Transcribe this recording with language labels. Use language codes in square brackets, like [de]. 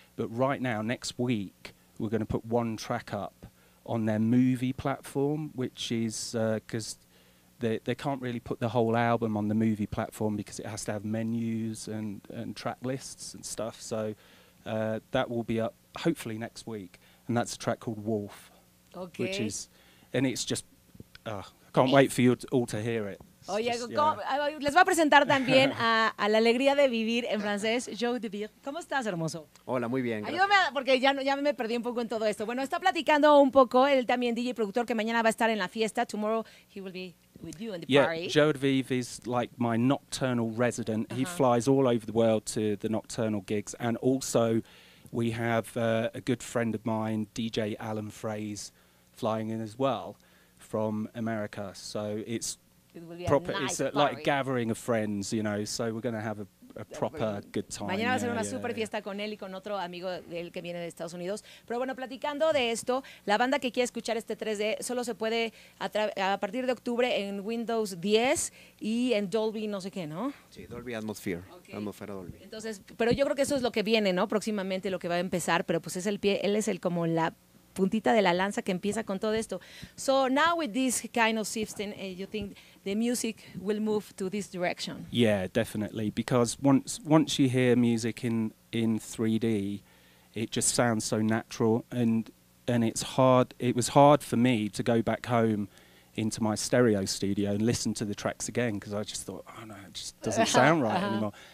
[en] But right now, next week, we're going to put one track up on their movie platform, which is because they can't really put the whole album on the movie platform because it has to have menus and track lists and stuff. So that will be up hopefully next week. And that's a track called Wolf. Okay. Which is, and it's just, I can't wait for you all to hear it. [es] Oye, les voy a presentar también a La Alegría de Vivir en francés, Joe de Vivir. ¿Cómo estás, hermoso? Hola, muy bien. Ayúdame, porque ya me perdí un poco en todo esto. Bueno, está platicando un poco, él también, DJ productor, que mañana va a estar en la fiesta. [en] Tomorrow he will be with you in the party. Joe de Vivir is like my nocturnal resident. Uh-huh. He flies all over the world to the nocturnal gigs. And also, we have a good friend of mine, DJ Alan Fraze, flying in as well from America. So it's... It's like a gathering of friends, you know, so we're going to have a proper good time. [es] Mañana va a ser una super fiesta con él y con otro amigo de él que viene de Estados Unidos. Pero bueno, platicando de esto, la banda que quiere escuchar este 3D solo se puede a partir de octubre en Windows 10 y en Dolby no sé qué, ¿no? Sí, Dolby Atmosphere, okay. Atmósfera Dolby. Entonces, pero yo creo que eso es lo que viene, ¿no? Próximamente lo que va a empezar, pero pues es el pie, él es el como la... puntita de la lanza que empieza con todo esto. [en] So now with this kind of system, you think the music will move to this direction? Yeah, definitely. Because once you hear music in 3D, it just sounds so natural. And and it's hard. It was hard for me to go back home into my stereo studio and listen to the tracks again because I just thought, oh no, it just doesn't sound right anymore.